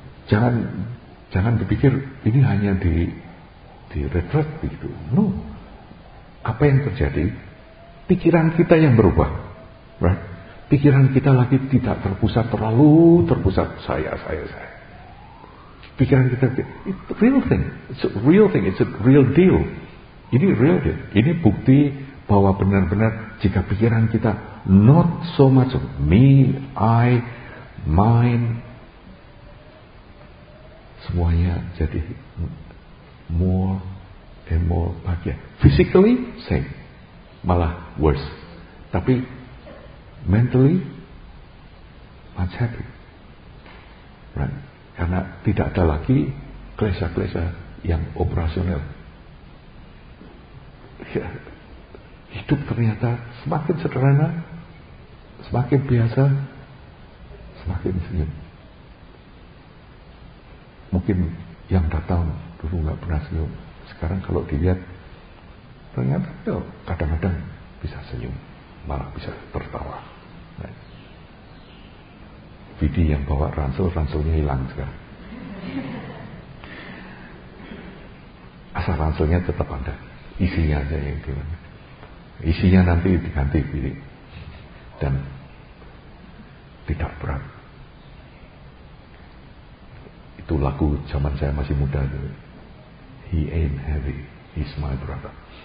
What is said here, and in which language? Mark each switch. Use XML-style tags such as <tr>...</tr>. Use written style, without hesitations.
<id>Jangan berpikir ini hanya di retret begitu. No. Apa yang terjadi? Pikiran kita yang berubah. Right? Pikiran kita lagi tidak terpusat, terlalu terpusat saya. Pikiran kita,</id> <en>it's a real thing. It's a real thing. It's a real deal.</en> <id>Ini real deal. Ini bukti bahwa benar-benar jika pikiran kita</id> <en>not so much of me, I, mine,</en> <id>semuanya jadi</id> <en>more and more</en> <id>bahagia.</id> <en>Physically, same. Malah worse. Tapi mentally, much happy. Right?</en> <id>Karena tidak ada lagi klesa-klesa yang operasional. Ya. Hidup ternyata semakin sederhana, semakin biasa, semakin senyum. Mungkin yang datang dulu gak pernah senyum. Sekarang kalau dilihat, ternyata yuk, kadang-kadang bisa senyum, malah bisa tertawa. Nah. Vidi yang bawa ranselnya hilang sekarang. Asal ranselnya tetap ada, isinya aja yang gimana. Isinya nanti diganti pilih dan tidak berat. Itu lagu zaman saya masih muda itu.</id> <en>He ain't heavy, he's my brother.</en>